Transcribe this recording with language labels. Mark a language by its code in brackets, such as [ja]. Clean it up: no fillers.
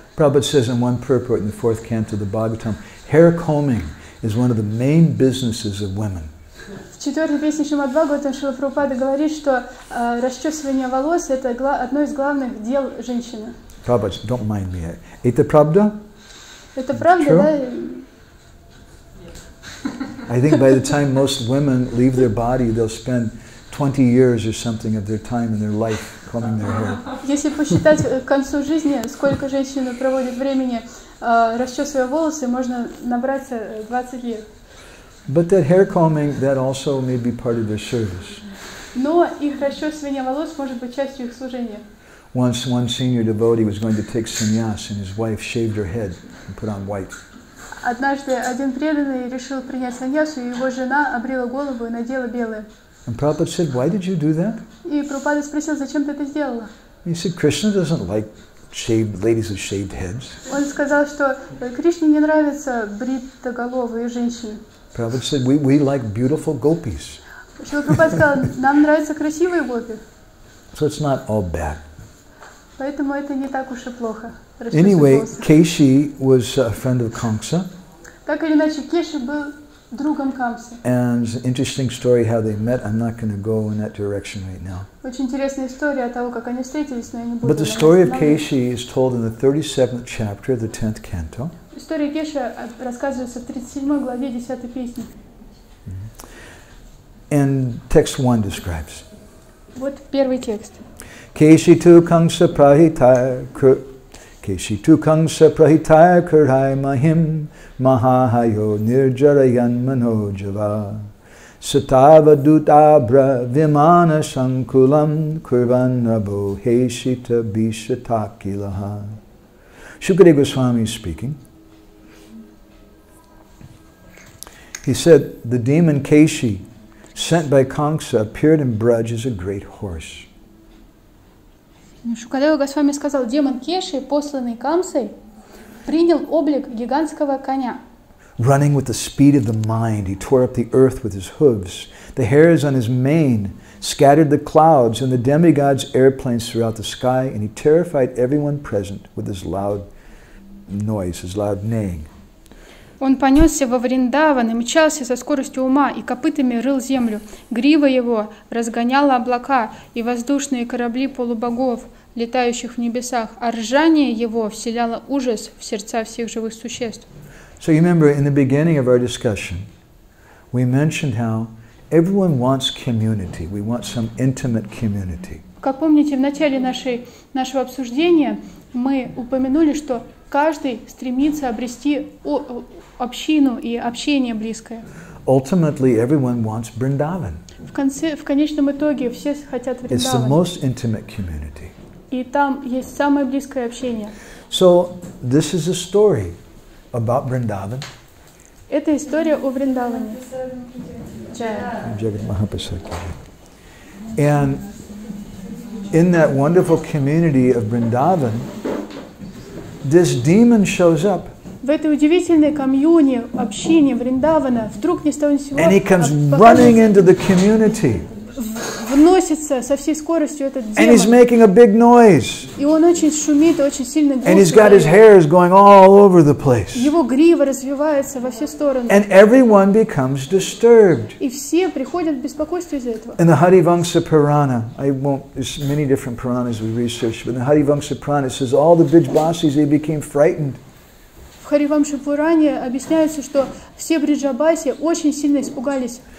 [en] Prabhupada says in one purport in the fourth canto of the Bhagavatam, hair combing is one of the main businesses of women. [ru] В четвертой песне Шримад-Бхагаватам Шрила Прабхупада говорит, что расчесывание волос — это одно из главных дел женщины. [en] Prabhupada, don't mind me. [ru] Это правда? Это правда, да? [en] I think by the time most women leave their body, they'll spend 20 years or something of their time and their life combing their hair. [ru] Если посчитать к концу жизни, сколько женщины проводят времени, расчесывая волосы, можно набраться 20 лет. [en] But that hair combing, that also may be part of their service. [ru] Но их расчесывание волос может быть частью их служения. [en] Once one senior devotee was going to take sannyas, and his wife shaved her head and put on white. [ru] Однажды один преданный решил принять саньясу, и его жена обрила голову и надела белое. [en] And Prabhupada said, "Why did you do that?" [ru] И Прабхупада спросил, зачем ты это сделала? [en] He said, "Krishna doesn't like shaved ladies with shaved heads." [ru] Он сказал, что Кришне не нравятся бритоголовые женщины. [en] Prabhupada said, "We like beautiful gopis." [ru] Шрила Прабхупада сказал, нам нравятся красивые гопи. [en] So it's not all bad. [ru] Поэтому это не так уж и плохо. [en] Anyway, Keshi was a friend of Kamsa. [ru] Так или иначе, Кеши был другом Камсы. [en] And it's an interesting story how they met. I'm not going to go in that direction right now. [ru] Очень интересная история о того, как они встретились, но я не буду. [en] But the story of Keshi is told in the 37th chapter of the 10th canto. [ru] История Кеши рассказывается в 37 главе 10 песни. [en] And text 1 describes. [ru] Вот первый текст. [sa] Keshi tu kangsa prahita kurai mahim mahayo nirjarayan manojava satava dutabra vimana sankulam kurvan nabo heshita bishatakilaha. [en] Shukadeva Goswami is speaking. He said, the demon Keshi, sent by Kangsa, appeared in Braj as a great horse. [ru] Шукадева Госвами сказал, демон Кеши, посланный Камсой, принял облик гигантского коня. [en] Running with the speed of the mind, he tore up the earth with his hooves. The hairs on his mane scattered the clouds and the demigods' airplanes throughout the sky, and he terrified everyone present with his loud noise, his loud neighing. [ru] Он понесся во Вриндаван и мчался со скоростью ума и копытами рыл землю. Грива его разгоняла облака и воздушные корабли полубогов, летающих в небесах. А ржание его вселяло ужас в сердца всех живых существ. [en] So you remember in the beginning of our discussion, we mentioned how everyone wants community. We want some intimate community. [ru] Как помните, в начале нашего обсуждения мы упомянули, что каждый стремится обрести общину и общение близкое. [en] Ultimately, everyone wants Vrindavan. [ru] В конечном итоге все хотят Vrindavan. [en] It's the most intimate community. [ru] И там есть самое близкое общение. [en] So, this is a story about Vrindavan. [ru] Это история о Vrindavane. Jagat Mahaprasaki. [en] And in that wonderful community of Vrindavan, this demon shows up. [ru] В этой удивительной комьюни, общине Вриндавана, вдруг ни с того ни с сего. [en] And he comes running into the community. [ru] вносится со всей скоростью этот демон. [en] And he's making a big noise. [ru] И он очень шумит, очень сильно [en] And he's got his hairs going all over the place. [ru] Его грива развивается во все стороны. [en] And everyone becomes disturbed. [ru] И все приходят в беспокойство из-за этого. [en] In the Hadivamsa Purana, there's many different Puranas we researched, but in the Hadivamsa Purana it says all the Vrijabhasis they became frightened. [ru] В Харивамше Пуране объясняется, что все бриджабаси очень сильно испугались.